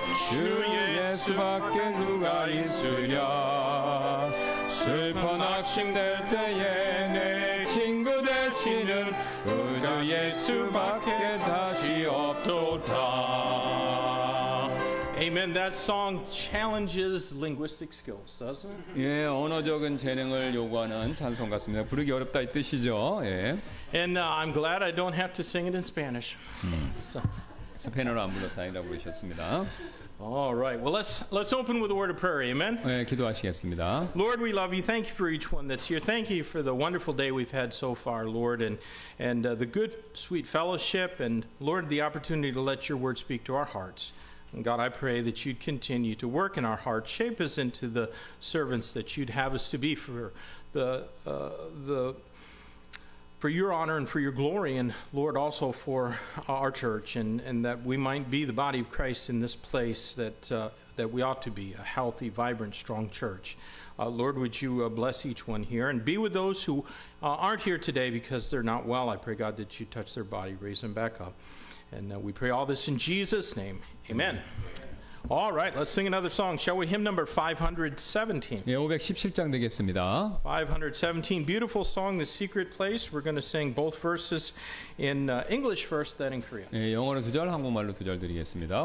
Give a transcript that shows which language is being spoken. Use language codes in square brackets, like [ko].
[ko] 주 예수밖에 누가 있으랴 슬퍼 낙심될 때에 내 친구 되시는 그저 예수밖에 다시 없도다 [en] Amen. That song challenges linguistic skills, doesn't it? [ko] 예, 언어적인 재능을 요구하는 찬송 같습니다. 부르기 어렵다 이 뜻이죠. 예. [en] And I'm glad I don't have to sing it in Spanish. So. [ko] 스페인어로 안 불러 사용하고 계셨습니다. [en] All right. Well, let's open with a word of prayer. Amen. [ko] 예, 기도하시겠습니다. [en] Lord, we love you. Thank you for each one that's here. Thank you for the wonderful day we've had so far, Lord, and the good, sweet fellowship, and Lord, the opportunity to let your word speak to our hearts. And God, I pray that you'd continue to work in our hearts, shape us into the servants that you'd have us to be for your honor and for your glory, and Lord, also for our church, and that we might be the body of Christ in this place that we ought to be, a healthy, vibrant, strong church. Lord, would you bless each one here and be with those who aren't here today because they're not well. I pray, God, that you touch their body, raise them back up. And we pray all this in Jesus' name. Amen. All right, let's sing another song. Shall we hymn number 517? [ko] 예, 517장 되겠습니다. [en] 517, beautiful song, The Secret Place. We're going to sing both verses in English first, then in Korean. [ko] 예, 영어로 두 절, 한국말로 두 절 드리겠습니다.